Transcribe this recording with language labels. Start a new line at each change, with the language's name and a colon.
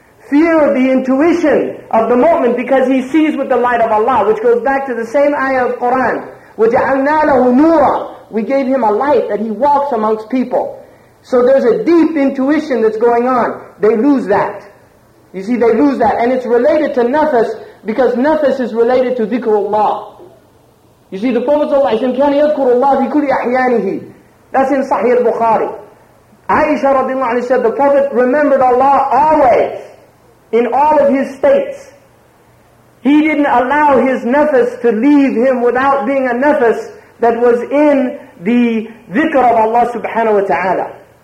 English: Fear the intuition of the mu'min, because he sees with the light of Allah, which goes back to the same ayah of Quran.
Arabic: وَجَعَلْنَا لَهُ نُورًا.
English: We gave him a light that he walks amongst people. So there's a deep intuition that's going on. They lose that. You see, they lose that. And it's related to nafas, because nafas is related to dhikrullah. You see, the Prophet ﷺ said,
Arabic: كَانَ يَذْكُرُ اللَّهِ بِكُلِ أَحْيَانِهِ.
English: That's in Sahih al-Bukhari. Aisha radiallahu anhu said, the Prophet remembered Allah always, in all of his states. He didn't allow his nafas to leave him without being a nafas that was in the dhikr of Allah subhanahu wa ta'ala.